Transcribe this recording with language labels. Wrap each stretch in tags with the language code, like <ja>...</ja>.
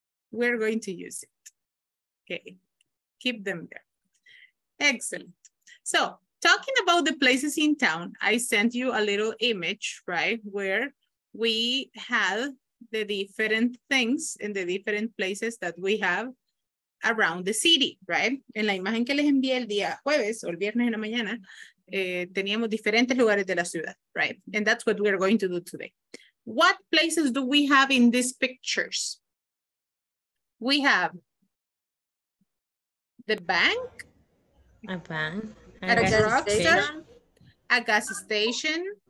<en>We're going to use it. Okay, keep them there. Excellent. So talking about the places in town, I sent you a little image, right? Where we have the different things in the different places that we have around the city, right?</en> <es>En la imagen que les envié el día jueves o el viernes en la mañana, teníamos diferentes lugares de la ciudad, right?</es> <en>And that's what we're going to do today. What places do we have in these pictures? We have the bank. A bank. A gas station.</en>